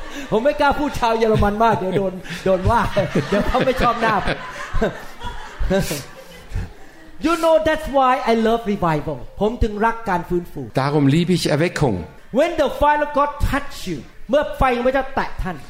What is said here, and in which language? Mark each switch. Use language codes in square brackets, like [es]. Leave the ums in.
[th] ผมไม่กล้าพูดชาวเยอรมันมากเดี๋ยวโดนโดนว่าเดี๋ยวเขาไม่ชอบหน้า [en] You know that's why I love revival. [th] ผมถึงรักการฟื้นฟู [de] Darum liebe ich Erweckung. [en] When the fire of God touch you, [th] เมื่อไฟของพระเจ้าแตะท่าน